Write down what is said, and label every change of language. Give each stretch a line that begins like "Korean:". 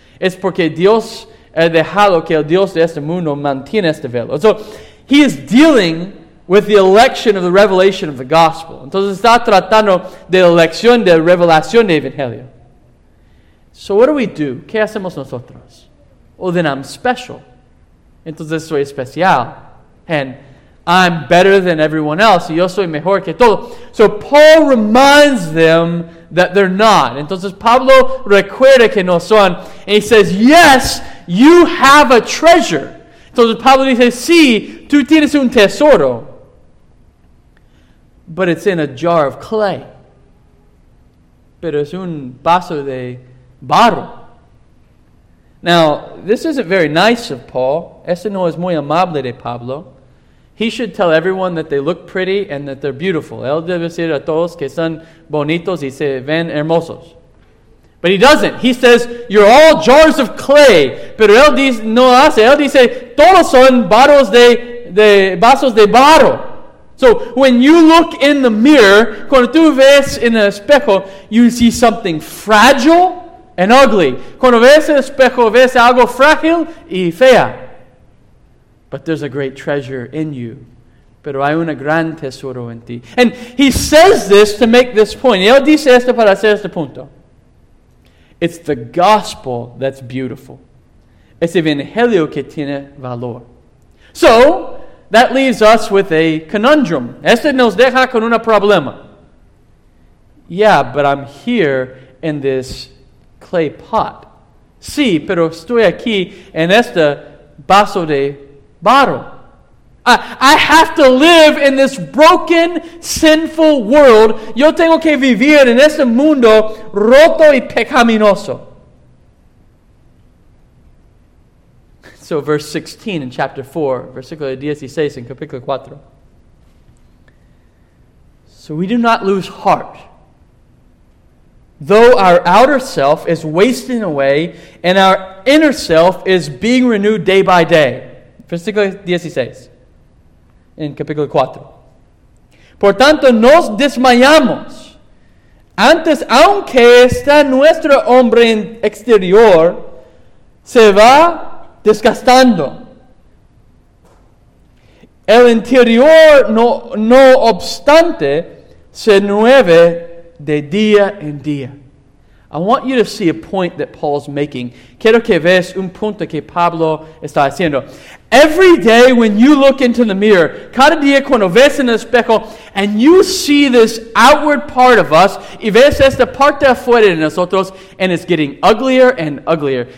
Spanish: Es porque Dios ha dejado que el Dios de este mundo mantiene este velo.
English: So he is dealing with the election of the revelation of the gospel.
Spanish: Entonces está tratando de la elección de revelación de Evangelio.
English: So what do we do?
Spanish: ¿Qué hacemos nosotros?
English: Well, then I'm special.
Spanish: Entonces soy especial.
English: And I'm better than everyone else.
Spanish: Y yo soy mejor que todo.
English: So Paul reminds them that they're not.
Spanish: Entonces Pablo recuerda que no son.
English: And he says, yes, you have a treasure.
Spanish: Entonces Pablo dice, sí, tú tienes un tesoro.
English: But it's in a jar of clay.
Spanish: Pero es un vaso de barro.
English: Now, this isn't very nice of Paul.
Spanish: Eso no es muy amable de Pablo.
English: He should tell everyone that they look pretty and that they're beautiful.
Spanish: Él debe decir a todos que son bonitos y se ven hermosos.
English: But he doesn't. He says, you're all jars of clay.
Spanish: Pero él dice, no hace. Él dice, todos son vasos de barro.
English: So when you look in the mirror,
Spanish: cuando tú ves en el espejo,
English: you see something fragile and ugly.
Spanish: Cuando ves en el espejo, ves algo frágil y fea.
English: But there's a great treasure in you.
Spanish: Pero hay un gran tesoro en ti.
English: And he says this to make this point.
Spanish: Y él dice esto para hacer este punto.
English: It's the gospel that's beautiful.
Spanish: Es el evangelio que tiene valor.
English: So, that leaves us with a conundrum.
Spanish: Este nos deja con un problema.
English: Yeah, but I'm here in this clay pot.
Spanish: Sí, pero estoy aquí en este vaso de barro.
English: I have to live in this broken, sinful world.
Spanish: Yo tengo que vivir en este mundo roto y pecaminoso.
English: So verse 16 in chapter 4,
Spanish: versículo 16
English: in
Spanish: capítulo 4.
English: So we do not lose heart, though our outer self is wasting away and our inner self is being renewed day by day.
Spanish: Versículo 16 in capítulo 4. Por tanto, nos desmayamos. Antes, aunque está nuestro hombre exterior, se va desgastando. El interior, no obstante, se nueve de día en día.
English: I want you to see a point that Paul's making.
Spanish: Quiero que veas un punto que Pablo está haciendo.
English: Every day when you look into the mirror,
Spanish: cada día cuando ves en el espejo,
English: and you see this outward part of us,
Spanish: y ves esta parte afuera de nosotros,
English: and it's getting uglier and uglier.